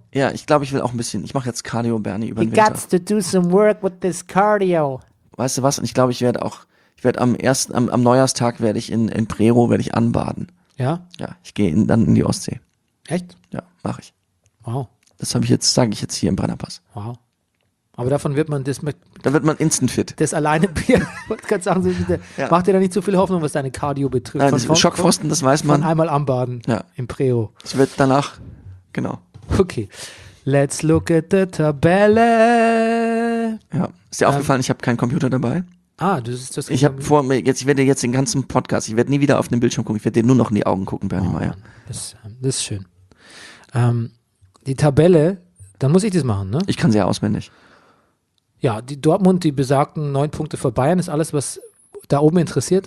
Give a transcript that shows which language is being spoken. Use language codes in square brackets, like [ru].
[de] Ja, ich glaube, ich will auch ein bisschen. Ich mache jetzt Cardio, Bernie, über den Winter. [en] He got to do some work with this cardio. [de] Weißt du was? Und ich glaube, ich werde am Neujahrstag werde ich in Prero werde ich anbaden. Ja? Ja, ich gehe dann in die Ostsee. Echt? Ja, mache ich. Wow. Das habe ich jetzt, sage ich jetzt hier im Brennerpass. Wow. Aber davon wird man das mit. Da wird man instant fit. Das alleine Bier. Kann sagen, so, ja. Mach dir da nicht zu viel Hoffnung, was deine Cardio betrifft. Nein, von Schockfrosten, das weiß man. Von einmal anbaden. Ja. Im Preo. Es wird danach. Genau. Okay. [en] Let's look at the Tabelle. [de] Ja. Ist dir aufgefallen, ich habe keinen Computer dabei? Ah, das ist das. Ich habe vor mir, jetzt, ich werde jetzt den ganzen Podcast, ich werde nie wieder auf den Bildschirm gucken, ich werde dir nur noch in die Augen gucken, Bernie Meier. Das ist schön. Die Tabelle, dann muss ich das machen, ne? Ich kann sie ja auswendig. Ja, die Dortmund, die besagten 9 Punkte vor Bayern, ist alles, was da oben interessiert.